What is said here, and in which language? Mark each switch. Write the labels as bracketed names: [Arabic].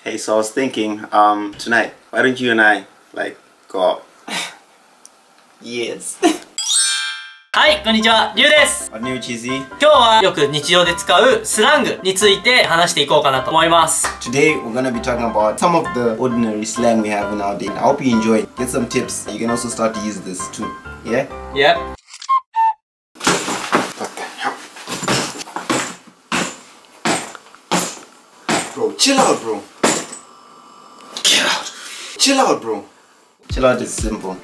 [English] Hey, so I was thinking, tonight, why don't you and I, like, go out? Yes. [Japanese] はい、こんにちは、りゅうです。こんにちは。今日はよく日常で使うスラングについて話していこうかなと思います。 [English] Today, we're gonna be talking about some of the ordinary slang we have in our day. I hope you enjoy. Get some tips. You can also start to use this too. Yeah? Yep. Chill out, bro. Chill out is simple.